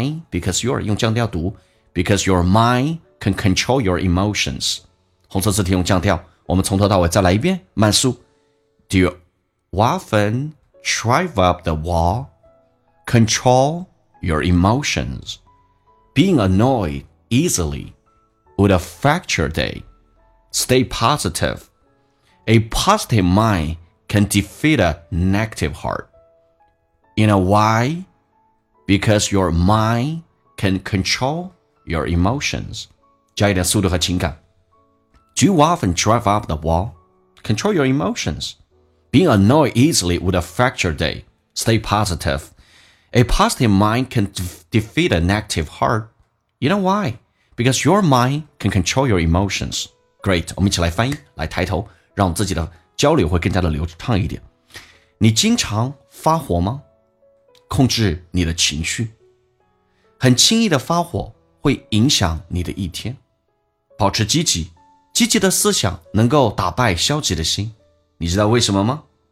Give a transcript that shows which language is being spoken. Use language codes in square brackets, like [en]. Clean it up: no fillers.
[en] Because your mind [zh] 用降调读 [en] ，because your mind. Can control your emotions. [zh] 红色字体用降调，我们从头到尾再来一遍，慢速。 [en] Do you often drive up the wall? Control your emotions. Being annoyed easily would affect your day. Stay positive. A positive mind can defeat a negative heart. You know why? Because your mind can control your emotions. [zh] 加一点速度和情感。 [en] Do you often drive up the wall? Control your emotions. Being annoyed easily would affect your day. Stay positive. A positive mind can defeat a negative heart. You know why? Because your mind can control your emotions. Great. [zh] 我们一起来翻译，来抬头，让自己的交流会更加的流畅一点。你经常发火吗？控制你的情绪。很轻易的发火会影响你的一天。保持积极，积极的思想能够打败消极的心。你知道为什么吗？